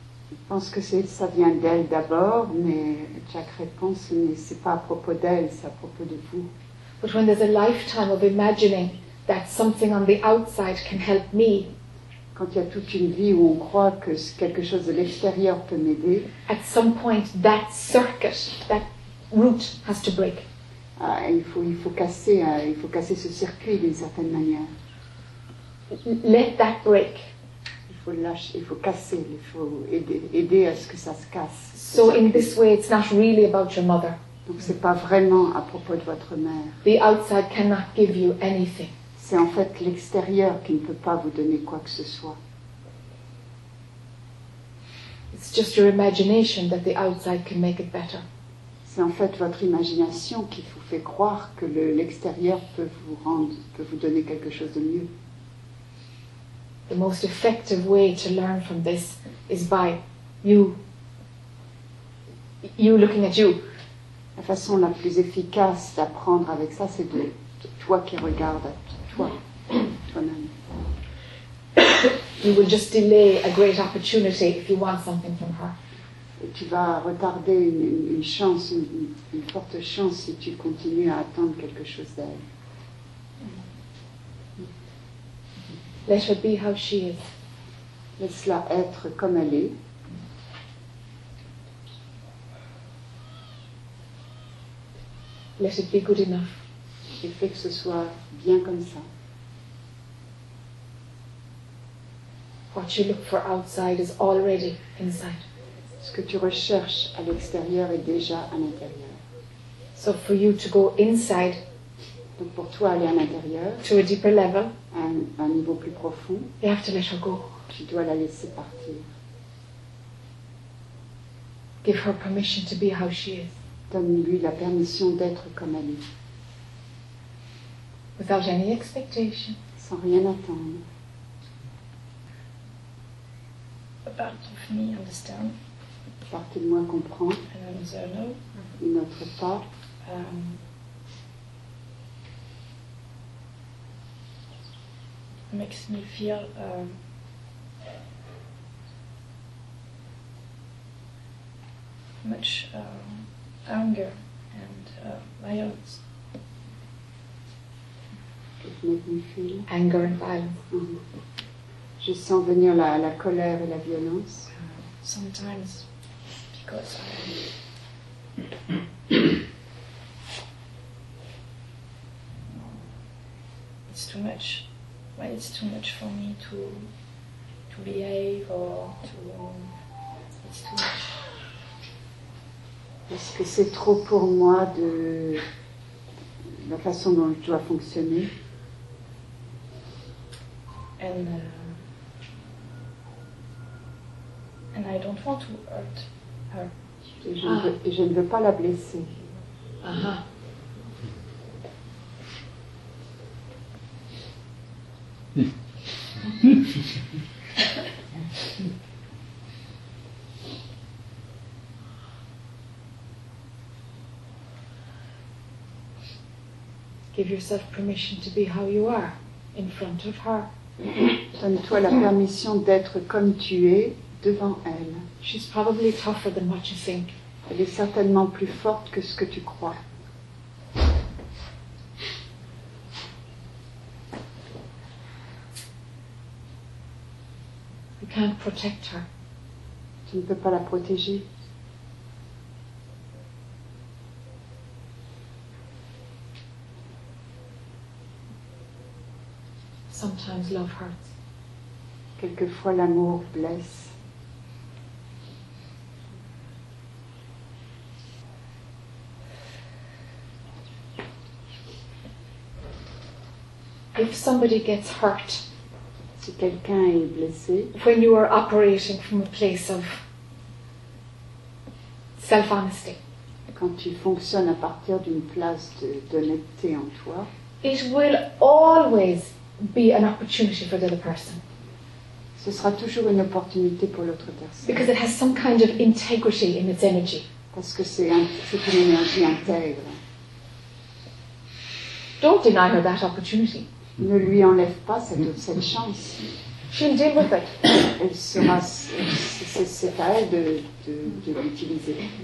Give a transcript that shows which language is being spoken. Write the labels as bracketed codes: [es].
[fr] Je pense que c'est, ça vient d'elle d'abord, mais chaque réponse n'est pas à propos d'elle, c'est à propos de vous. [en] But when there's a lifetime of imagining that something on the outside can help me, [fr] quand il y a toute une vie où on croit que quelque chose de l'extérieur peut m'aider, [en] at some point that circuit, that route has to break. [fr] Il faut casser ce circuit d'une certaine manière. [en] Let that break. [fr] Il faut aider à ce que ça se casse. [en] So in this way, it's not really about your mother. [fr] Donc c'est pas vraiment à propos de votre mère. [en] The outside cannot give you anything. [fr] C'est en fait l'extérieur qui ne peut pas vous donner quoi que ce soit. [en] It's just your imagination that the outside can make it better. [fr] C'est en fait votre imagination qui vous fait croire que l'extérieur peut vous donner quelque chose de mieux. [en] The most effective way to learn from this is by you looking at you. [fr] La façon la plus efficace d'apprendre avec ça, c'est de toi qui regardes à toi-même. [en] You will just delay a great opportunity if you want something from her. [fr] Et tu vas retarder une forte chance si tu continues à attendre quelque chose d'elle. [en] Let her be how she is. [fr] Laisse-la être comme elle est. [en] Let it be good enough. [fr] Et fais que ce soit bien comme ça. [en] What you look for outside is already inside. [fr] Ce que tu recherches à l'extérieur est déjà à l'intérieur. [en] So for you to go inside. [fr] Donc pour toi aller à l'intérieur, [en] to a deeper level, [fr] un niveau plus profond, [en] you have to let her go. [fr] Tu dois la laisser partir. [en] Give her permission to be how she is. [fr] Donne-lui la permission d'être comme elle est. [en] Without any expectation. [fr] Sans rien attendre. [en] A part of me understand. [fr] Une partie de moi comprend. [en] Another [fr] no. Une autre part. [en] Makes me feel much anger and violence. It makes me feel anger and violence. Mm-hmm. [fr] Je sens venir la colère et la violence. [en] Sometimes, because I'm it's too much. Well, it's too much for me to behave or to it's too much. [fr] Est-ce que c'est trop pour moi de la façon dont je dois fonctionner? [en] And I don't want to hurt her. [fr] Et je ne veux pas la blesser. Uh-huh. [en] Give yourself permission to be how you are in front of her. [fr] Donne-toi la permission d'être comme tu es devant elle. [en] She's probably tougher than what you think. [fr] Elle est certainement plus forte que ce que tu crois. [en] Can't protect her. [fr] Tu ne peux pas la protéger. [en] Sometimes love hurts. [fr] Quelquefois l'amour blesse. [en] If somebody gets hurt, [fr] si quelqu'un est blessé, [en] when you are operating from a place of self-honesty, [fr] quand tu fonctionnes à partir d'une place d'honnêteté en toi, [en] it will always be an opportunity for the other person. [fr] Ce sera toujours une opportunité pour l'autre personne. [en] Because it has some kind of integrity in its energy. [fr] Parce que c'est une énergie intègre. [en] Don't deny her that opportunity. [fr] Ne lui enlève pas cette chance. [en] She'll deal with it. [fr] Elle sera, c'est à elle de l'utiliser.